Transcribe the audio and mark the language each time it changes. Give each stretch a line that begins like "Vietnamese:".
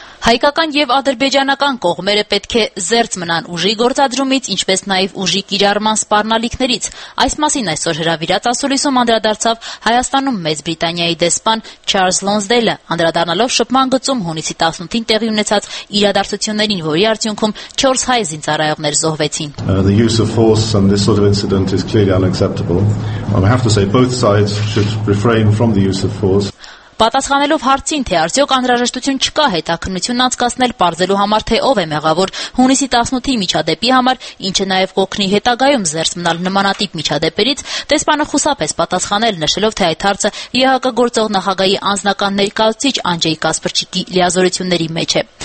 Armenian: Հայկական և ադրբեջանական կողմերը պետք է զերծ մնան ուժի գործադրումից, ինչպես նաև ուժի կիրառման սպառնալիքներից։ Այս մասին այսօր հրավիրած ասուլիսում անդրադարձավ Հայաստանում Մեծ Բրիտանիայի դեսպան Չարլզ Լոնզդելը, անդրադառնալով շփման գծում հունիսի 18-ին տեղի ունեցած իրադարձություններին, որի արդյունքում 4 հայ զինծառայողներ զոհվեցին։
English: The use of force and this sort of incident is clearly unacceptable. I have to say both sides should refrain from the use of force.
Armenian: Պատասխանելով հարցին, թե արդյոք անհրաժեշտություն չկա հետաքննություն անցկացնել պարզելու համար, թե ով է մեղավոր հունիսի 18-ի միջադեպի համար, ինչը նաև կօգնի հետագայում զերծ մնալ նմանատիպ միջադեպերից, դեսպանը խուսափես պատասխանել, նշելով, թե այդ հարցը ԵՀԿ գործող նախագահի անձնական ներկայացուցիչ Անջեյ Կասպրչիկի լիազորությունների մեջ է։